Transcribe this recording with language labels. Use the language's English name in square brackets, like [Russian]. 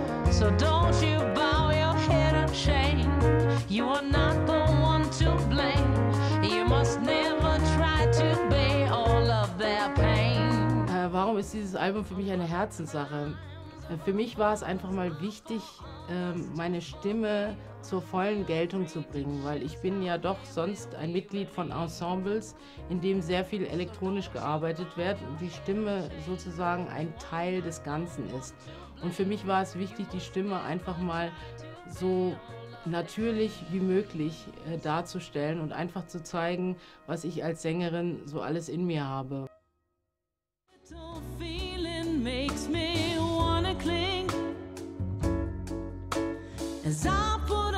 [English] So don't you bow your head in shame. You are not the one to blame. You must never try to bear all of their pain. [German] Warum ist dieses Album für mich eine Herzenssache? Für mich war es einfach mal wichtig, meine Stimme zur vollen Geltung zu bringen, weil ich bin ja doch sonst ein Mitglied von Ensembles, in dem sehr viel elektronisch gearbeitet wird und die Stimme sozusagen ein Teil des Ganzen ist. Und für mich war es wichtig, die Stimme einfach mal so natürlich wie möglich darzustellen und einfach zu zeigen, was ich als Sängerin so alles in mir habe. [English] Feeling makes me wanna cling as I put